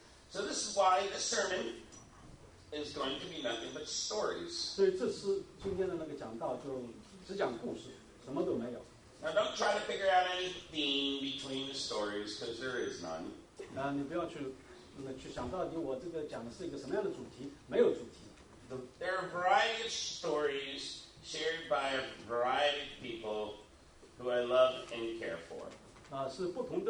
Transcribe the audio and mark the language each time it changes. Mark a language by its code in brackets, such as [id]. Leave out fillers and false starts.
[en] So this is why the sermon is going to be nothing but stories. [zh] 所以这次今天的那个讲道就只讲故事，什么都没有。 [en] Now, don't try to figure out any theme between the stories, because there is none. [zh] 你不要去想到我这个讲的是一个什么样的主题，没有主题。 [en] There are a variety of stories shared by a variety of people who I love and care for.